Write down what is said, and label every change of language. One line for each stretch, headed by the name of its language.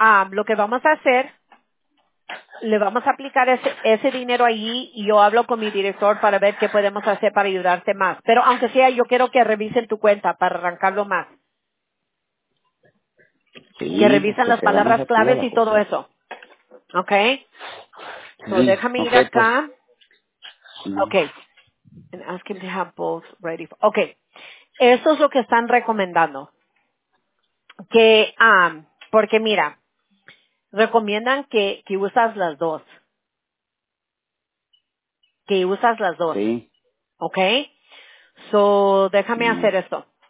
Spanish: Lo que vamos a hacer, le vamos a aplicar ese dinero allí y yo hablo con mi director para ver qué podemos hacer para ayudarte más. Pero aunque sea, yo quiero que revisen tu cuenta para arrancarlo más. Sí, que revisen las palabras claves y todo eso. ¿Ok? Sí, so déjame ir acá.
English: Okay, and ask him to have both ready.
Spanish: Okay, eso es lo que están recomendando. Que, porque mira, recomiendan que usas las dos. Que usas las dos. Sí. Okay. So, déjame hacer esto.